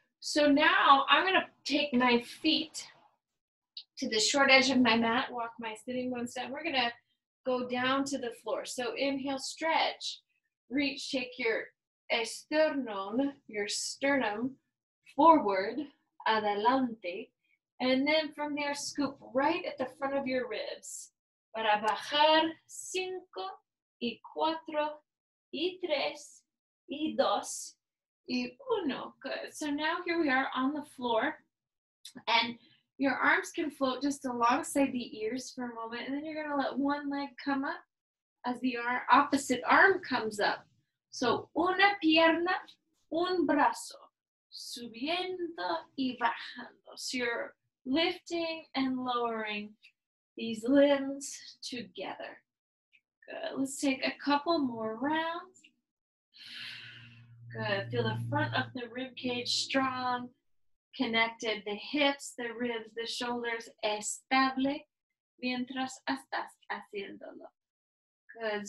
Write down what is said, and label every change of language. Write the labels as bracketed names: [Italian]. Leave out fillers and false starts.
[English] So now I'm gonna take my feet to the short edge of my mat, walk my sitting bones down. We're gonna go down to the floor. So inhale, stretch, reach, take your esternón, your sternum, forward, adelante. And then from there, scoop right at the front of your ribs. [Spanish] Para bajar, cinco, y cuatro, y tres, y dos, y uno. [English] Good. So now here we are on the floor, and your arms can float just alongside the ears for a moment, and then you're gonna let one leg come up as the opposite arm comes up. [Spanish] So una pierna, un brazo, subiendo y bajando. [English] So you're lifting and lowering these limbs together. Good. Let's take a couple more rounds. Good. Feel the front of the rib cage strong, connected. The hips, the ribs, the shoulders, [Spanish] estable mientras estás haciéndolo. [English] Good.